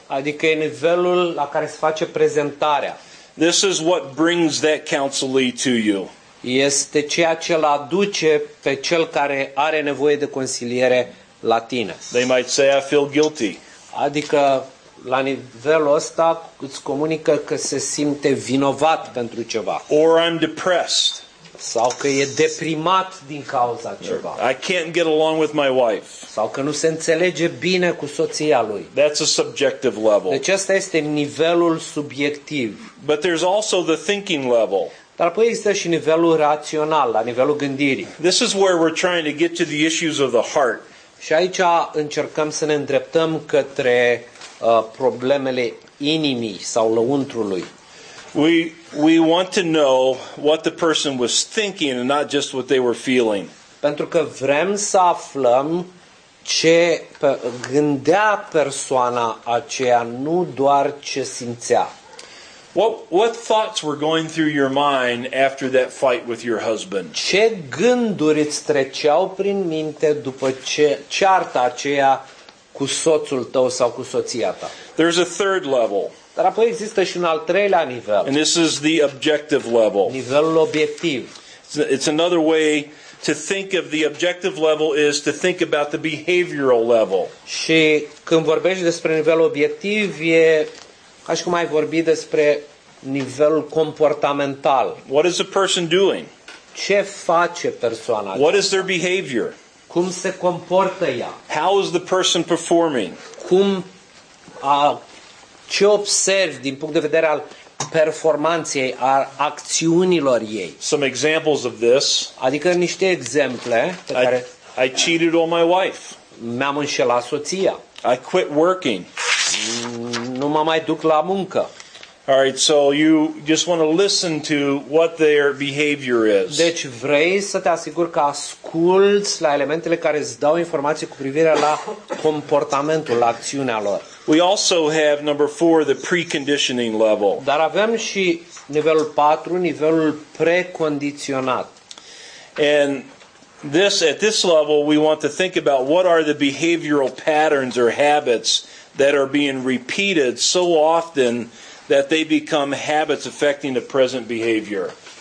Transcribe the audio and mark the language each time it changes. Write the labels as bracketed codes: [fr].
[ro] Adică e nivelul la care se face prezentarea. [en] This is what brings that counselee to you. [ro] Este ceea ce îl aduce pe cel care are nevoie de consiliere la tine. [en] They might say, I feel guilty. [ro] Adică la nivelul ăsta îți comunică că se simte vinovat pentru ceva. [en] Or I'm depressed. [ro] Sau că e deprimat din cauza ceva. [en] I can't get along with my wife. [ro] Sau că nu se înțelege bine cu soția lui. [en] That's a subjective level. [ro] Deci ăsta este nivelul subiectiv. [en] But there's also the thinking level. [ro] Dar apoi există și nivelul rațional, la nivelul gândirii. [en] This is where we're trying to get to the issues of the heart. [ro] Și aici încercăm să ne îndreptăm către problemele inimii sau lăuntrului. [en] We want to know what the person was thinking and not just what they were feeling. [ro] Pentru că vrem să aflăm ce gândea persoana aceea, nu doar ce simțea. [en] What thoughts were going through your mind after that fight with your husband? [ro] Ce gânduri îți treceau prin minte după ce cearta aceea cu soțul tău sau cu soția ta? [en] There's a third level. [ro] Dar apoi există și un al treilea nivel. [en] And this is the objective level. [ro] Nivelul obiectiv. [en] It's another way to think of the objective level is to think about the behavioral level. [ro] Și când vorbești despre nivelul obiectiv, e ca și cum ai vorbi despre nivelul comportamental. [en] What is a person doing? [ro] Ce face persoana? [en] What is their behavior? [ro] Cum se comportă ea? [en] How is the person performing? [ro] Cum ce observi din punct de vedere al performanței, a acțiunilor ei? [en] Some examples of this. [ro] Adică niște exemple pe care [en] I cheated on my wife. [ro] M-am înșelat soția. [en] I quit working. [ro] Nu mă mai duc la muncă. [en] All right, so you just want to listen to what their behavior is. [ro] Deci vrei să te asiguri că asculți la elementele care îți dau informații cu privire la comportamentul, la acțiunea lor. [en] We also have number 4, the preconditioning level. [ro] Dar avem și nivelul 4, nivelul precondiționat. [en] And at this level we want to think about what are the behavioral patterns or habits that are being repeated so often that they become habits affecting the present behavior.